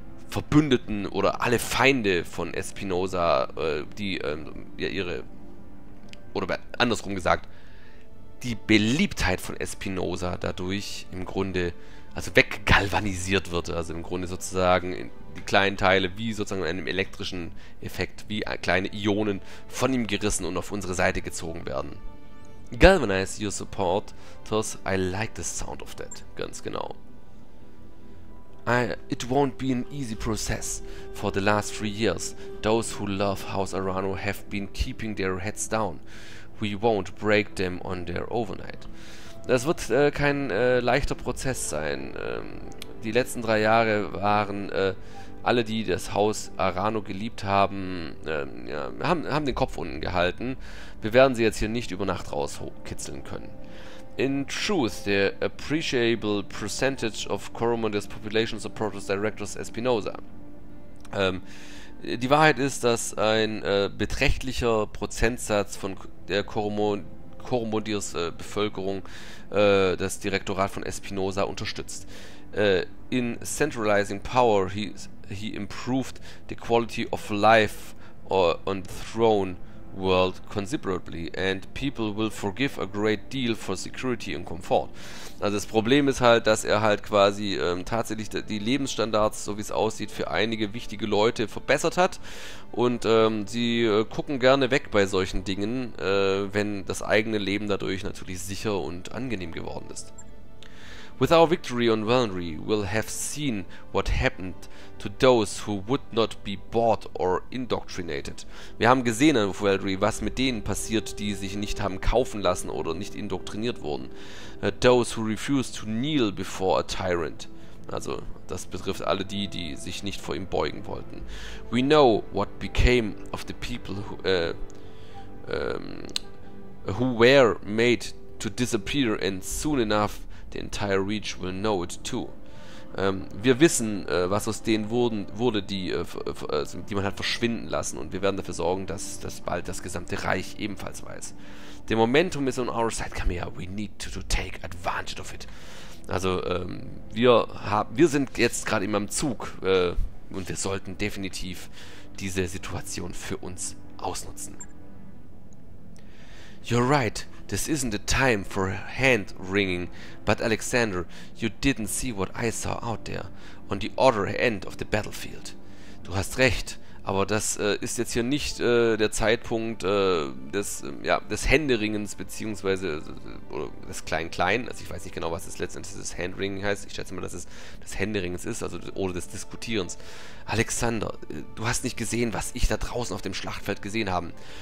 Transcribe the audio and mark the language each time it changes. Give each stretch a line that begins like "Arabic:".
German: Verbündeten oder alle Feinde von Espinosa, die Beliebtheit von Espinosa dadurch im Grunde, also weggalvanisiert wird, also im Grunde sozusagen die kleinen Teile wie sozusagen in einem elektrischen Effekt, wie kleine Ionen von ihm gerissen und auf unsere Seite gezogen werden.
English: Galvanize your support, thus I like the sound of that,
German: ganz genau.
English: It won't be an easy process. For the last 3 years, those who love House Arano have been keeping their heads down. We won't break them on their overnight.
German: Das wird kein leichter Prozess sein. die letzten 3 Jahre waren alle, die das Haus Arano geliebt haben, haben den Kopf unten gehalten. Wir werden sie jetzt hier nicht über Nacht rauskitzeln können.
English: In truth, the appreciable percentage of Coromandel's population supports Directus Espinosa.
German: Die Wahrheit ist, dass ein beträchtlicher Prozentsatz von der Coromandel's Bevölkerung das Direktorat von Espinosa unterstützt.
English: In centralizing power, he improved the quality of life on the throne world considerably, and people will forgive a great deal for security and comfort.
German: Also das Problem ist halt, dass er halt quasi tatsächlich die Lebensstandards, so wie es aussieht, für einige wichtige Leute verbessert hat, und sie gucken gerne weg bei solchen Dingen, wenn das eigene Leben dadurch natürlich sicher und angenehm geworden ist.
English: With our victory on Valenry, we'll have seen what happened to those who would not be bought or indoctrinated.
German: Wir haben gesehen auf Valenry, was mit denen passiert, die sich nicht haben kaufen lassen oder nicht indoktriniert wurden.
English: Those who refuse to kneel before a tyrant.
German: Also, das betrifft alle die, die sich nicht vor ihm beugen wollten.
English: We know what became of the people who were made to disappear, and soon enough the entire reach will know it too.
German: Wir wissen, was aus denen wurde, die man hat verschwinden lassen, und wir werden dafür sorgen, dass das bald das gesamte Reich ebenfalls weiß.
English: The momentum is on our side, Camilla. We need to take advantage of it.
German: Also, wir sind jetzt gerade immer im Zug, und wir sollten definitiv diese Situation für uns ausnutzen.
English: You're right. This isn't the time for hand-wringing, but Alexander, you didn't see what I saw out there, on the other end of the battlefield.
German: Du hast recht, aber das ist jetzt hier nicht der Zeitpunkt des Händeringens, beziehungsweise oder des Klein-Klein, also ich weiß nicht genau, was das letztendlich das Handringen heißt, ich schätze mal, dass es des Händeringens ist, also oder des Diskutierens. Alexander, du hast nicht gesehen, was ich da draußen auf dem Schlachtfeld gesehen habe.